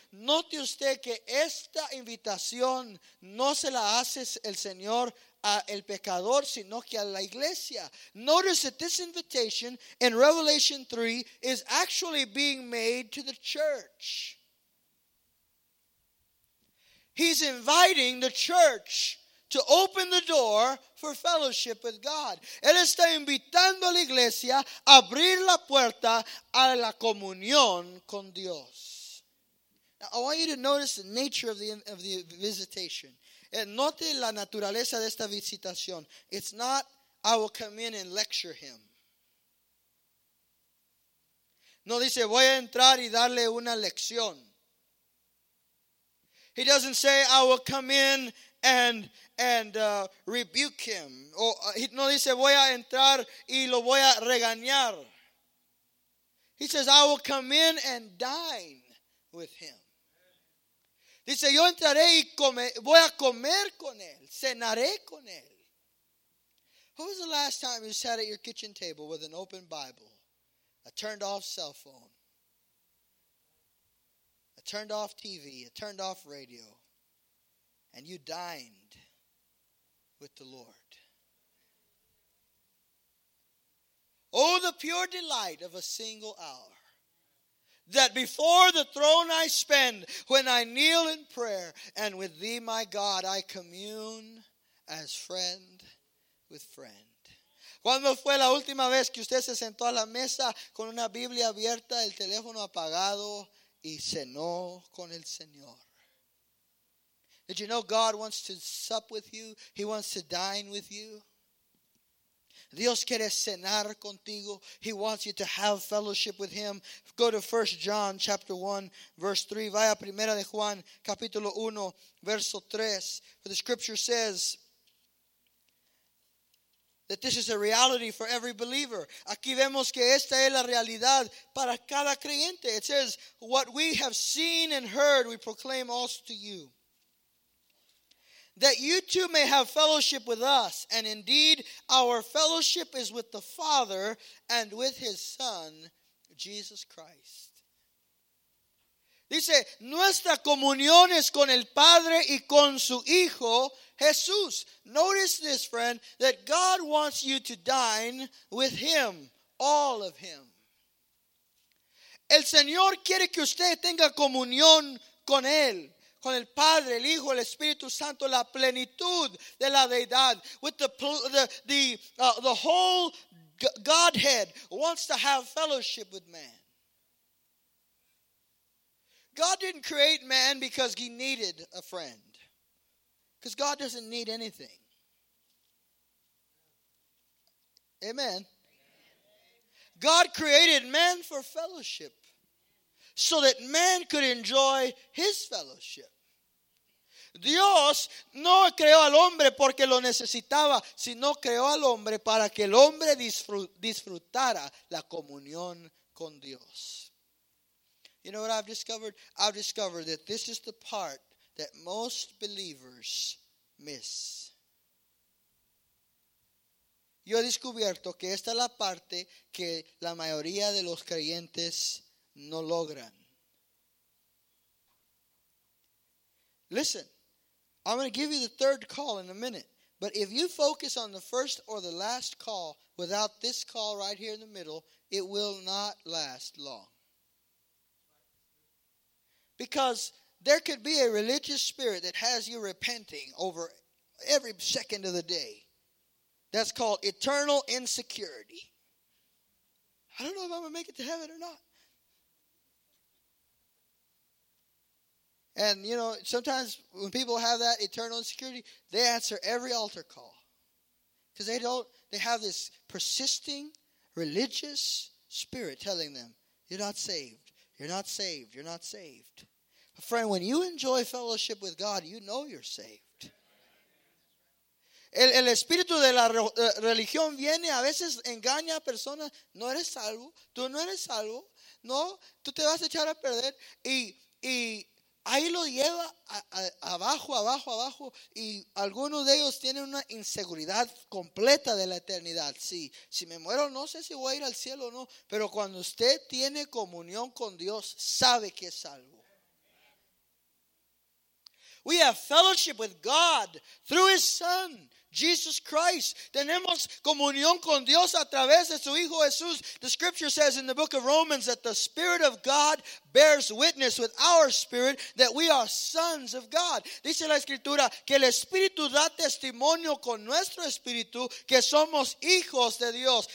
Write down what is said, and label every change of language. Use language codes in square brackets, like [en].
[es] Note usted que esta invitación no se la hace el Señor a el pecador, sino que a la iglesia. [en] Notice that this invitation in Revelation 3 is actually being made to the church. He's inviting the church to open the door for fellowship with God. [es] Él está invitando a la iglesia a abrir la puerta a la comunión con Dios. [en] Now, I want you to notice the nature of the visitation. [es] Note la naturaleza de esta visitación. [en] It's not, "I will come in and lecture him." [es] No dice, "Voy a entrar y darle una lección." [en] He doesn't say, "I will come in and rebuke him." [es] No dice, "Voy a entrar y lo voy a regañar." [en] He says, "I will come in and dine with him." [es] Dice, "Yo entraré y voy a comer con él, cenaré con él." [en] Who was the last time you sat at your kitchen table with an open Bible, a turned off cell phone, a turned off TV, a turned off radio, and you dined with the Lord? Oh, the pure delight of a single hour. That before the throne I spend, when I kneel in prayer, and with thee, my God, I commune as friend with friend. [es] ¿Cuándo fue la última vez que usted se sentó a la mesa con una Biblia abierta, el teléfono apagado, y cenó con el Señor? [en] Did you know God wants to sup with you? He wants to dine with you. [es] Dios quiere cenar contigo. [en] He wants you to have fellowship with him. Go to 1 John chapter 1, verse 3. [es] Vaya primera de Juan, capítulo 1, verso 3. [en] For the scripture says that this is a reality for every believer. [es] Aquí vemos que esta es la realidad para cada creyente. [en] It says, "What we have seen and heard, we proclaim also to you, that you too may have fellowship with us. And indeed, our fellowship is with the Father and with his Son, Jesus Christ." [es] Dice, "Nuestra comunión es con el Padre y con su Hijo, Jesús." [en] Notice this, friend, that God wants you to dine with him, all of him. [es] El Señor quiere que usted tenga comunión con él. Con el Padre, el Hijo, el Espíritu Santo, la plenitud de la Deidad. [en] With the whole Godhead wants to have fellowship with man. God didn't create man because he needed a friend. Because God doesn't need anything. Amen. God created man for fellowship. So that man could enjoy his fellowship. Dios no creó al hombre porque lo necesitaba, sino creó al hombre para que el hombre disfrutara la comunión con Dios. You know what I've discovered? I've discovered that this is the part that most believers miss. Yo he descubierto que esta es la parte que la mayoría de los creyentes no logran. Listen, I'm going to give you the third call in a minute. But if you focus on the first or the last call without this call right here in the middle, it will not last long. Because there could be a religious spirit that has you repenting over every second of the day. That's called eternal insecurity. I don't know if I'm going to make it to heaven or not. And, you know, sometimes when people have that eternal insecurity, they answer every altar call. Because they have this persisting religious spirit telling them, you're not saved, you're not saved, you're not saved. But friend, when you enjoy fellowship with God, you know you're saved. [es] El espíritu de la religión viene, a veces engaña a personas, no eres salvo, tú no eres salvo, no, tú te vas a echar a perder, y ahí lo lleva abajo, y algunos de ellos tienen una inseguridad completa de la eternidad. Sí, si me muero, no sé si voy a ir al cielo o no, pero cuando usted tiene comunión con Dios, sabe que es salvo. [en] We have fellowship with God through His Son, Jesus Christ. [es] Tenemos comunión con Dios a través de su Hijo Jesús. [en] The scripture says in the book of Romans that the Spirit of God bears witness with our spirit that we are sons of God. [es] Dice la escritura que el Espíritu da testimonio con nuestro espíritu que somos hijos de Dios.